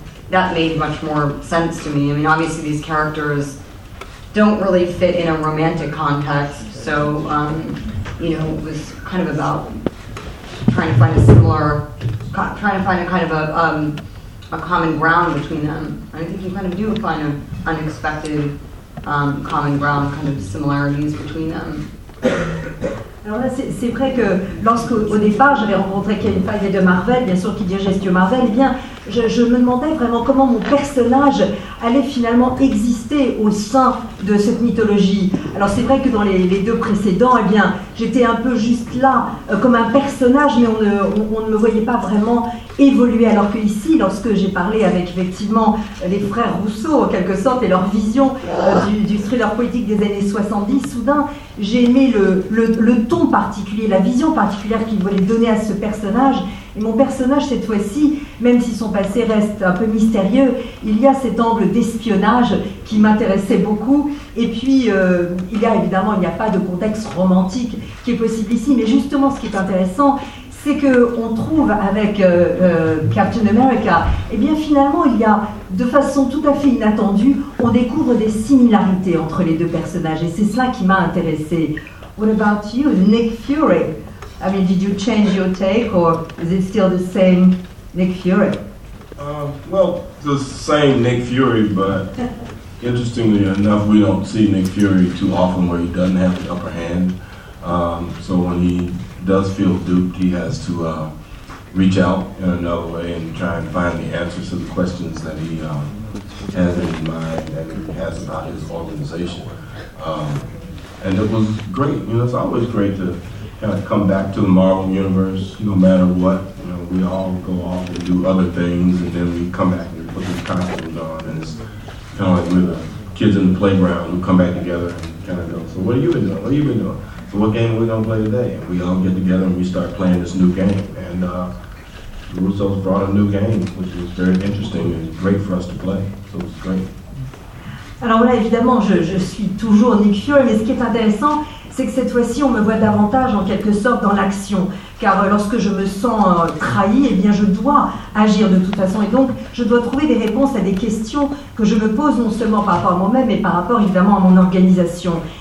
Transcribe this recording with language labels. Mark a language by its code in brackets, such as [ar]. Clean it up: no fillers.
[en] That made much more sense to me. I mean, obviously, these characters don't really fit in a romantic context, so, you know, it was kind of about trying to find a common ground between them. And I think you kind of do find an unexpected common ground, kind of similarities between them. [fr] Alors là, c'est vrai que lorsqu'au départ, j'avais rencontré Kevin Feige de Marvel, bien sûr qu'il dirigeait Studio Marvel, eh bien, je me demandais vraiment comment mon personnage allait finalement exister au sein de cette mythologie. Alors c'est vrai que dans les deux précédents, eh bien, j'étais un peu juste là, comme un personnage, mais on ne me voyait pas vraiment évoluer. Alors que ici, lorsque j'ai parlé avec effectivement les frères Rousseau, en quelque sorte, et leur vision du thriller politique des années 70, soudain, j'ai aimé le ton particulier, la vision particulière qu'ils voulaient donner à ce personnage. Et mon personnage, cette fois-ci, même si son passé reste un peu mystérieux, il y a cet angle d'espionnage qui m'intéressait beaucoup. Et puis, il n'y a pas de contexte romantique qui est possible ici. Mais justement, ce qui est intéressant, c'est qu'on trouve avec Captain America, eh bien finalement, il y a, de façon tout à fait inattendue, on découvre des similarités entre les deux personnages. Et c'est cela qui m'a intéressée. [en] What about you, Nick Fury? I mean, did you change your take, or is it still the same Nick Fury? Well, the same Nick Fury, but interestingly enough, we don't see Nick Fury too often where he doesn't have the upper hand. So when he does feel duped, he has to reach out in another way and try and find the answers to the questions that he has in mind and has about his organization. And it was great. You know, it's always great to kind of come back to the Marvel Universe, no matter what. You know, we all go off and do other things, and then we come back and put these costumes on, and it's kind of like we're the kids in the playground who come back together and kind of go, so what have you been doing? What have you been doing? So what game are we going to play today? And we all get together and we start playing this new game. And the Russos brought a new game, which was very interesting and great for us to play. So it was great. [fr] Alors là, évidemment, je suis toujours Nick Fury, mais ce qui est intéressant, c'est que cette fois-ci, on me voit davantage, en quelque sorte, dans l'action. Car lorsque je me sens trahi, eh bien, je dois agir de toute façon. Et donc, je dois trouver des réponses à des questions que je me pose, non seulement par rapport à moi-même, mais par rapport, évidemment, à mon organisation.